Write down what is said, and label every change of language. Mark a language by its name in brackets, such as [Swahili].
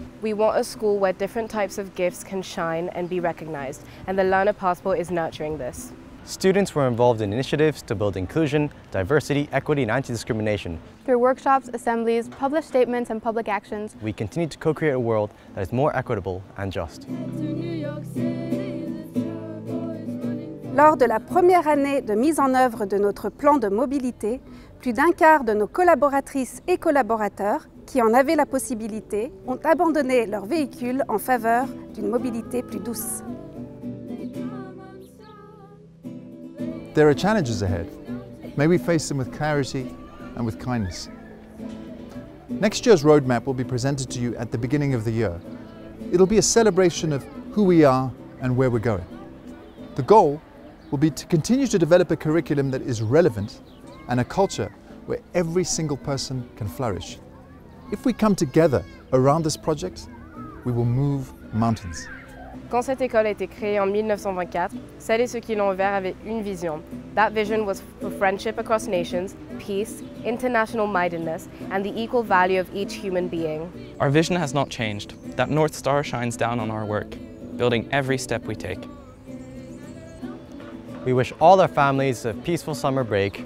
[English] We want a school where different types of gifts can shine and be recognized, and the Learner Passport is nurturing this. Students were involved in initiatives to build inclusion, diversity, equity, and anti-discrimination. Through workshops, assemblies, published statements, and public actions, we continue to co-create a world that is more equitable and just. [French] Lors de la première année de mise en œuvre de notre plan de mobilité, plus d'un quart de nos collaboratrices et collaborateurs qui en avaient la possibilité ont abandonné leur véhicule en faveur d'une mobilité plus douce. [English] There are challenges ahead. May we face them with clarity and with kindness. Next year's roadmap will be presented to you at the beginning of the year. It'll be a celebration of who we are and where we're going. The goal will be to continue to develop a curriculum that is relevant and a culture where every single person can flourish. If we come together around this project, we will move mountains. [French] Quand cette école a été créée en 1924, celles et ceux qui l'ont ouvert avaient une vision. [English] That vision was for friendship across nations, peace, international mindedness, and the equal value of each human being. Our vision has not changed. That North Star shines down on our work, building every step we take. We wish all our families a peaceful summer break.